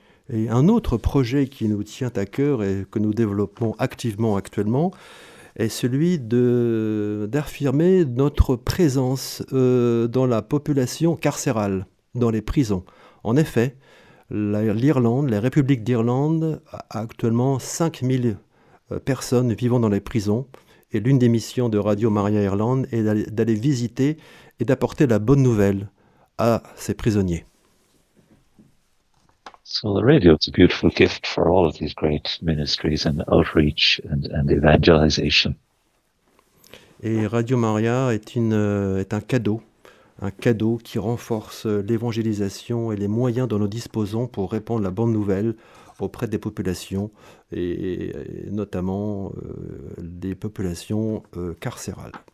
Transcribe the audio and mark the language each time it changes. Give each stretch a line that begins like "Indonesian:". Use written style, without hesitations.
French: Et un autre projet qui nous tient à cœur et que nous développons activement actuellement est celui d'affirmer notre présence dans la population carcérale, dans les prisons. En effet, l'Irlande, la République d'Irlande, a actuellement 5 000 personnes vivant dans les prisons. Et l'une des missions de Radio Maria Irlande est d'aller visiter et d'apporter la bonne nouvelle à ces prisonniers.
English: So the radio is a beautiful gift for all of these great ministries and outreach and evangelization.
French: Et Radio Maria est un cadeau qui renforce l'évangélisation et les moyens dont nous disposons pour répandre la bonne nouvelle auprès des populations et notamment des populations carcérales.